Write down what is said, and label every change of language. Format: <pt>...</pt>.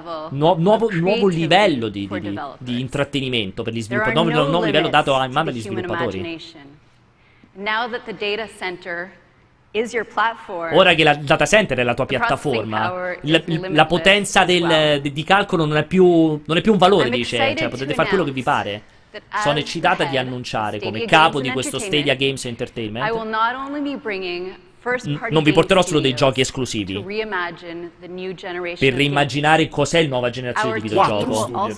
<it>Nuovo livello di intrattenimento per gli sviluppatori, nuovo livello dato a mano agli sviluppatori.</it> <en>Now that the data center is your platform,</en> <it>ora che il data center è la tua piattaforma, la potenza di calcolo non è più un valore, dice, cioè potete fare quello che vi pare. Sono eccitata di annunciare come capo di questo Stadia Games Entertainment.</it> <en>I will not only be bringing</en> <it>Non vi porterò solo dei giochi esclusivi per reimmaginare cos'è la nuova generazione di videogioco.</it>